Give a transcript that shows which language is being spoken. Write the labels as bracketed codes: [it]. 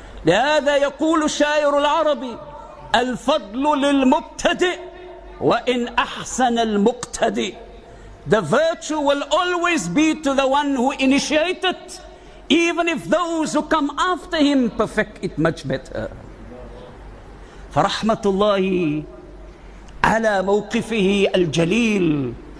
[ar] لهذا يقول الشاعر العربي الفضل للمبتدئ وإن أحسن المقتدئ. [en] The virtue will always be to the one who initiated, even if those who come after him perfect it much better. [ar] فرحمة الله على موقفه الجليل.